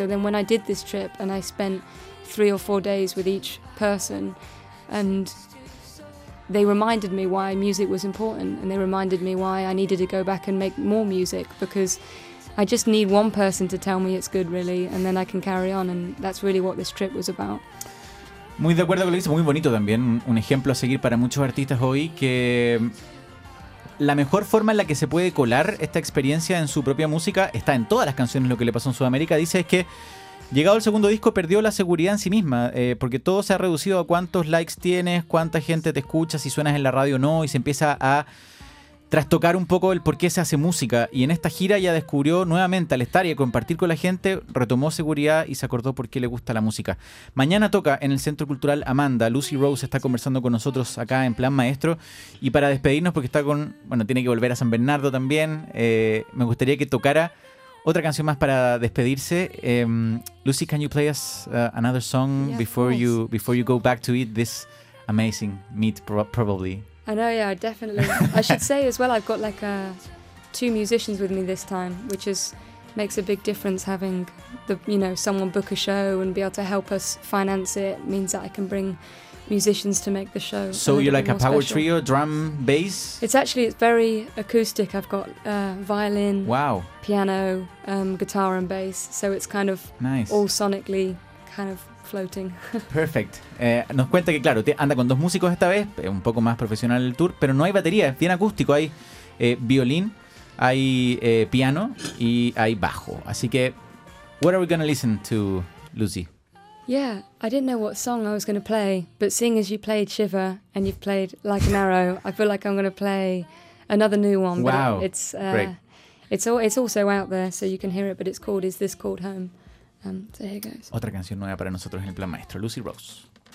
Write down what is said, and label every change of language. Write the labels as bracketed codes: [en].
[en] So then when I did this trip and I spent 3 or 4 days with each person, and they reminded me why music was important, and they reminded me why I needed to go back and make more music, because I just need one person to tell me it's good, really, and then I can carry on, and that's really what this trip was about. [es] Muy de acuerdo con lo que dice, muy bonito también, un ejemplo a seguir para muchos artistas hoy, que la mejor forma en la que se puede colar esta experiencia en su propia música está en todas las canciones. Lo que le pasó en Sudamérica, dice, es que llegado el segundo disco perdió la seguridad en sí misma, porque todo se ha reducido a cuántos likes tienes, cuánta gente te escucha, si suenas en la radio o no, y se empieza a tras tocar un poco el por qué se hace música, y en esta gira ya descubrió nuevamente al estar y a compartir con la gente, retomó seguridad y se acordó por qué le gusta la música. Mañana toca en el Centro Cultural Amanda. Lucy Rose está conversando con nosotros acá en Plan Maestro, y para despedirnos, porque está con, bueno, tiene que volver a San Bernardo también, me gustaría que tocara otra canción más para despedirse. [en] Lucy, can you play us another song before you go back to eat this amazing meat, probably? I know, yeah, definitely. I should say as well, I've got like two musicians with me this time, which is makes a big difference. Having the, you know, someone book a show and be able to help us finance it means that I can bring musicians to make the show. So you're like a power trio, drum, bass? It's actually, it's very acoustic. I've got violin, wow, piano, guitar and bass. So it's kind of nice, all sonically kind of floating. Perfect. [es] Nos cuenta que claro, anda con dos músicos esta vez, un poco más profesional el tour, pero no hay batería, es bien acústico. Hay violín, hay piano y hay bajo. Así que, [en] what are we going to listen to, Lucy? Yeah, I didn't know what song I was going to play, but seeing as you played Shiver and you've played Like an Arrow, I feel like I'm going to play another new one. Wow, but it's also out there, so you can hear it, but it's called Is This Called Home? So here goes. [es] Otra canción nueva para nosotros en el Plan Maestro, Lucy Rose.